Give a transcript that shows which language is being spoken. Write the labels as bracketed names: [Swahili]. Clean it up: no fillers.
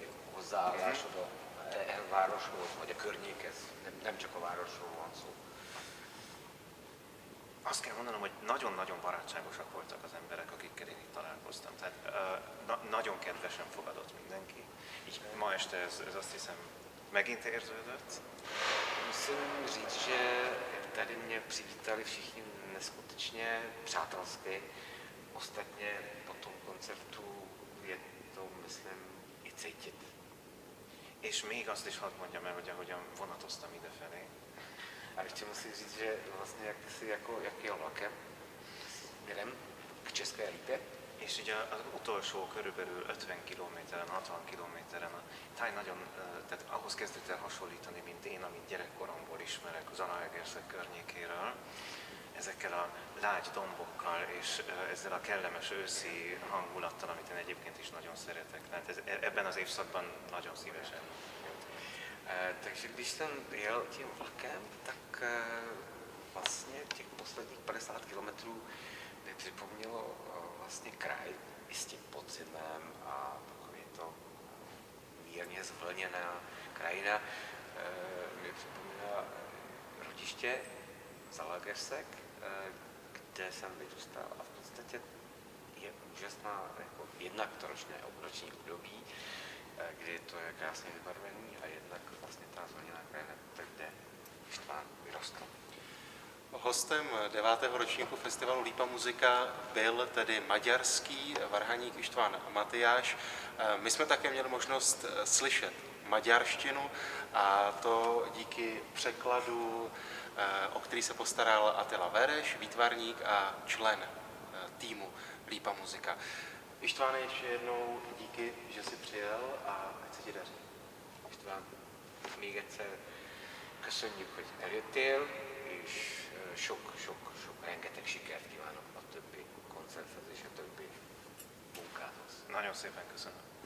[Hungarian] hozzáállásod a városhoz, vagy a környékhez, nem csak a városról van szó. Azt kell mondanom, hogy nagyon-nagyon barátságosak voltak az emberek, akikkel én itt találkoztam. Tehát nagyon kedvesen fogadott mindenki. Így ma este ez azt hiszem megint érződött. [Czech] Musím říct, že tady mě přivítali všichni neskutečně přátelsky. Ostatně po tom koncertu je to, myslím, i cítit. [Hungarian] És még azt is hadd mondjam el, hogy ahogyan vonatoztam idefelé. [Czech] A ještě musím říct, že vlastně jak jsi jaký vlakem směrem k České Lípě. [Hungarian] És ugye az utolsó körülbelül 50 kilométeren, 60 kilométeren a táj nagyon, tehát ahhoz kezdett el hasonlítani, mint én, amit gyerekkoromból ismerek az Zalaegerszeg környékéről, ezekkel a lágy dombokkal és ezzel a kellemes őszi hangulattal, amit én egyébként is nagyon szeretek. Tehát ebben az évszakban nagyon szívesen. [Czech] Takže když jsem jel tím vlakem, tak vlastně těch posledních 50 kilometrů mi připomnělo vlastně kraj i s tím podzimem a takový to mírně zvlněná krajina mi připomněla rodiště Zalaegerszeg, kde jsem vyrůstal a v podstatě je úžasná jako jednak to ročné obroční období, kdy to je krásně vybarvený a jednak vlastně ta zvlněná krajina, kde Štván vyrostl. Hostem 9. ročníku festivalu Lípa Muzika byl tedy maďarský varhaník István Matyáš. My jsme také měli možnost slyšet maďarštinu a to díky překladu, o který se postaral Attila Vereš, výtvarník a člen týmu Lípa Muzika. Ištváne, ještě jednou díky, že jsi přijel a ať se ti daří. [Hungarian] István, még egyszer köszönjük, hogy eljöttél, és sok rengeteg sikert kívánok a többi koncerthez és a többi munkához. Nagyon szépen köszönöm.